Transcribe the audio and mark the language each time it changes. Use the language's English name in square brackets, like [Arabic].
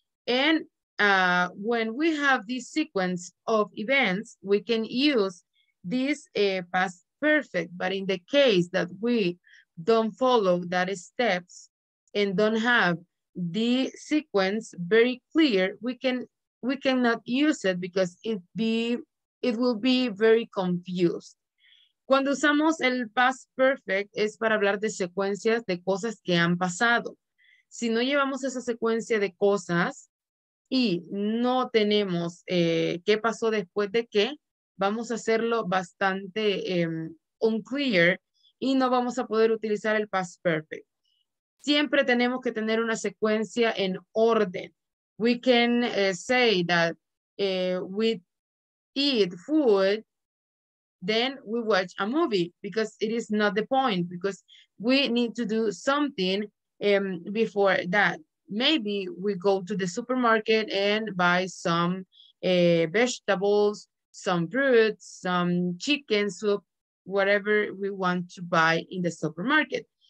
[English] And when we have this sequence of events, we can use this past perfect, but in the case that we don't follow that steps and don't have the sequence very clear, we cannot use it because it will be very confused. [Spanish] Cuando usamos el past perfect es para hablar de secuencias de cosas que han pasado. Si no llevamos esa secuencia de cosas y no tenemos qué pasó después de qué, vamos a hacerlo bastante unclear y no vamos a poder utilizar el past perfect. Siempre tenemos que tener una secuencia en orden. [English] We can say that we eat food, then we watch a movie, because it is not the point, because we need to do something before that. Maybe we go to the supermarket and buy some vegetables, some fruits, some chicken soup, whatever we want to buy in the supermarket.